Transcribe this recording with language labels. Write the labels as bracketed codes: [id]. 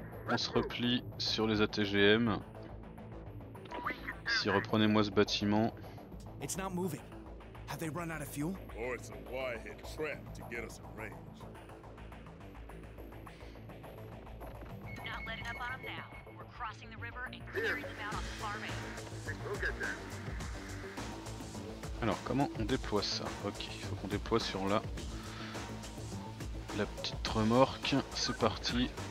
[fr] On se replie sur les ATGM. Si reprenez-moi ce bâtiment. [en] It's not moving. Have they run out of fuel? Or it's a Y-head trap to get us in range. Not letting up on them now. We're crossing the river and clearing them out on the far bank. [fr] Alors comment on déploie ça? Ok, il faut qu'on déploie sur là. la petite remorque, c'est parti.